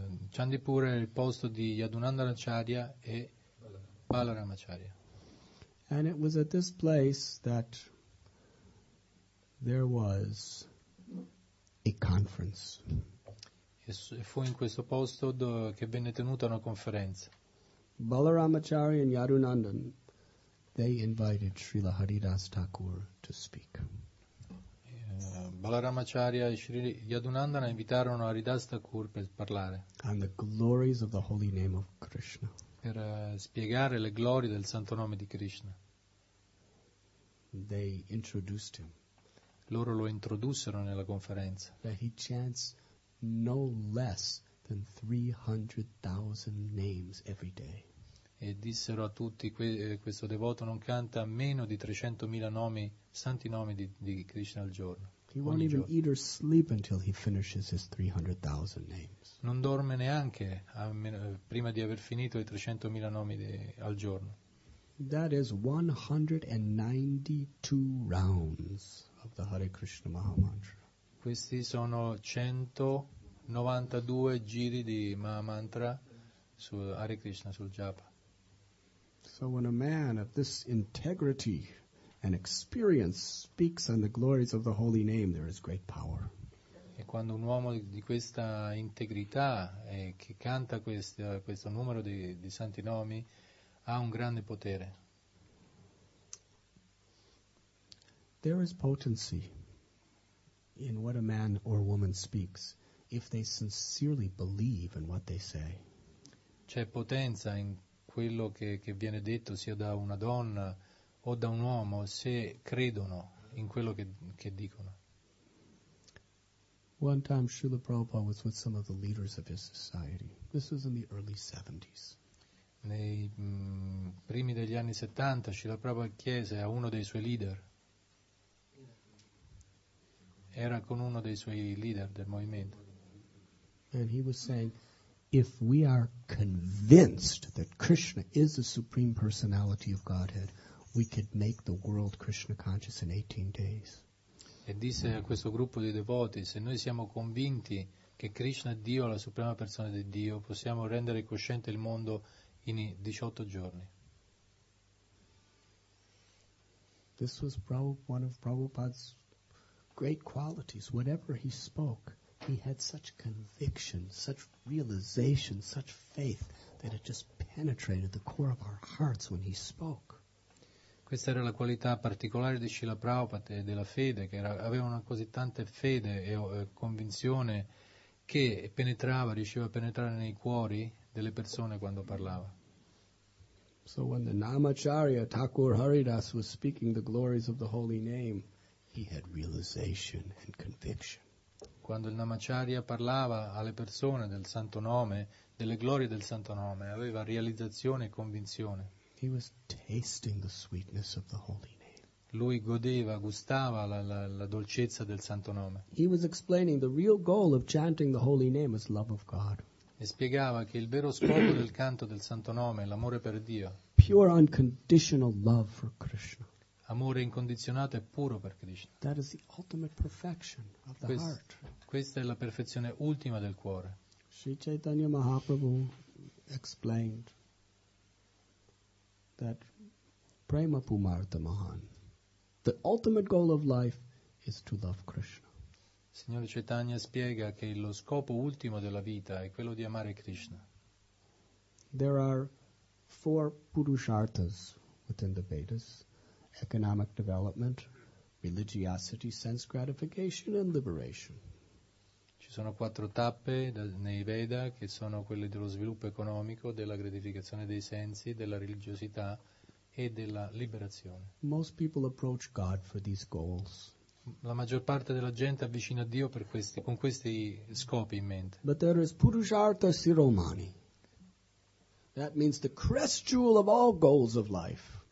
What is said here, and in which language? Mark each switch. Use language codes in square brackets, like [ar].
[it] Chandipur è il posto di Yadunandana Acharya e Balaram Acharya. [en] And it was at this place that there was a conference. [it] E fu in questo posto che venne tenuta una conferenza. [en] Balaram Acharya and Yadunandan, they invited Srila Haridas Thakur to speak. [it] Balaram Acharya e Sri Yadunandana invitarono Haridas Thakur per parlare. [en] And the glories of the holy name of Krishna. [it] Per spiegare le glorie del santo nome di Krishna. [en] They introduced him. [it] Loro lo introdussero nella conferenza. [en] That he chants no less than 300,000 names every day. [it] E dissero a tutti, questo devoto non canta meno di 300,000 nomi, santi nomi di Krishna al giorno. [en] He won't even eat or sleep until he finishes his 300,000 names. [it] Non dorme neanche prima di aver finito i 300,000 nomi al giorno. [en] That is 192 rounds of the Hare Krishna Mahamantra. [it] Questi sono 192 giri di Mahamantra su Hare Krishna, sul Japa. [en] So when a man of this integrity and experience speaks on the glories of the holy name, there is great power. [it] E quando un uomo di questa integrità e che canta questo numero di santi nomi ha un grande potere. [en] There is potency in what a man or woman speaks if they sincerely believe in what they say. [it] C'è potenza in quello che viene detto sia da una donna o da un uomo se credono in quello che dicono. [en] One time Srila Prabhupada was with some of the leaders of his society. This was in the early 70s. [it] Nei primi degli anni 70 Srila Prabhupada chiese a uno dei suoi leader. Era con uno dei suoi leader del movimento. [en] And he was saying, if we are convinced that Krishna is the supreme personality of Godhead, we could make the world Krishna conscious in 18 days. [it] E disse a questo gruppo di devoti, se noi siamo convinti che Krishna è Dio, la suprema persona di Dio, possiamo rendere cosciente il mondo in 18 giorni. [en] This was one of Prabhupada's great qualities. Whatever he spoke, he had such conviction, such realization, such faith that it just penetrated the core of our hearts when he spoke. [it] Questa era la qualità particolare di Srila Prabhupada e della fede, che aveva una così tanta fede e convinzione che riusciva a penetrare nei cuori delle persone quando parlava. [en] So when the Namacharya Thakur Haridas was speaking the glories of the holy name, he had realization and conviction. [it] Quando il Namacharya parlava alle persone del santo nome, delle glorie del santo nome, aveva realizzazione e convinzione. [en] He was tasting the sweetness of the holy name. [it] lui godeva, gustava la dolcezza del santo nome. [en] He was explaining the real goal of chanting the holy name is love of God. [it] E spiegava che il vero scopo del canto del santo nome è l'amore per Dio. [en] Pure unconditional love for Krishna. [it] Amore incondizionato e puro per Krishna. [en] That is the ultimate perfection of the heart. [it] Questa è la perfezione ultima del cuore. [en] Sri Chaitanya Mahaprabhu explained that [sa] prema pumartha mahan, [en] the ultimate goal of life is to love Krishna. [it] Signore Chaitanya spiega che lo scopo ultimo della vita è quello di amare Krishna. [en] There are four purusharthas within the Vedas: economic development, religiosity, sense gratification and liberation. [it] Ci sono quattro tappe nei Veda che sono quelle dello sviluppo economico, della gratificazione dei sensi, della religiosità e della liberazione. [en] Most people approach God for these goals. [it] La maggior parte della gente avvicina a Dio per questi, con questi scopi in mente. [en] But there is purusharta siromani. That means the crest jewel of all goals of life.